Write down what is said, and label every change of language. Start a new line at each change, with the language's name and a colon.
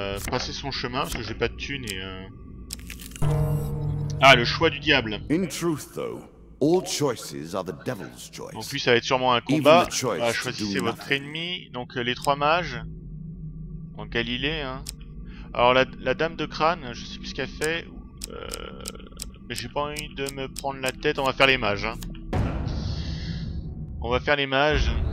French: Passer son chemin parce que j'ai pas de thunes et Ah, le choix du diable.
English: In truth though, all choices are the devil's choice.
French: Donc lui ça va être sûrement un combat. Choisissez votre ennemi. Donc les trois mages. En Galilée, hein. Alors la dame de crâne, je sais plus ce qu'elle fait. Mais j'ai pas envie de me prendre la tête, on va faire les mages. Hein. On va faire les mages.